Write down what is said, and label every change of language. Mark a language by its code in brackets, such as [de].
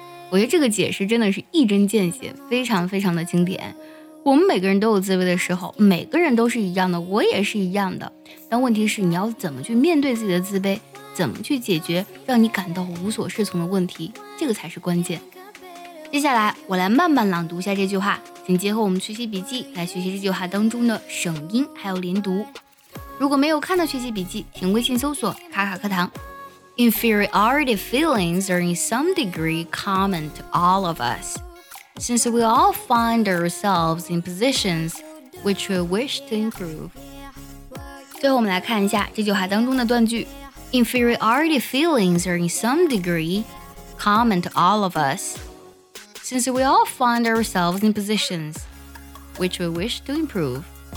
[zh] 我觉得这个解释真的是一针见血非常非常的经典我们每个人都有自卑的时候每个人都是一样的我也是一样的但问题是你要怎么去面对自己的自卑怎么去解决让你感到无所适从的问题这个才是关键接下来我来慢慢朗读一下这句话请结合我们学习笔记来学习这句话当中的省音还有连读如果没有看到学习笔记，请微信搜索“卡卡课堂”。 [en] Inferiority feelings are in some degree common to all of us, since we all find ourselves in positions which we wish to improve. [zh] 最后，我们来看一下这句话当中的断句。 [en] Inferiority feelings are in some degree common to all of us, since we all find ourselves in positions which we wish to improve.